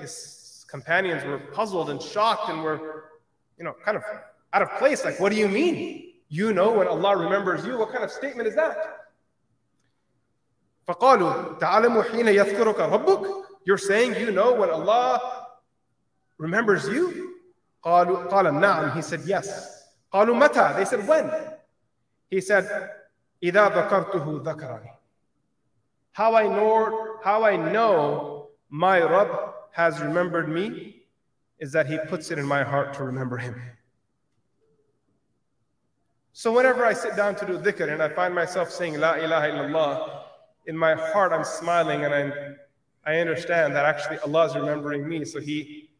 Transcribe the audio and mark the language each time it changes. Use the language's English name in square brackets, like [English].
[English] His companions were puzzled and shocked and were, you know, kind of out of place. Like, what do you mean? You know when Allah remembers you? What kind of statement is that? [Arabic] فَقَالُوا تَعَلَمُ حِينَ يَذْكُرُكَ رَبُّكَ. [English] You're saying you know when Allah remembers you? [Arabic] قَالَ نَعْمُ. [English] He said, yes. [Arabic] قَالُوا مَتَى. [English] They said, when? He said, [Arabic] إِذَا ذَكَرْتُهُ ذَكَرَنِي. [English] How I know my Rabb has remembered me is that he puts it in my heart to remember him. So whenever I sit down to do dhikr and I find myself saying La ilaha illallah, in my heart I'm smiling and I understand that actually Allah is remembering me. So he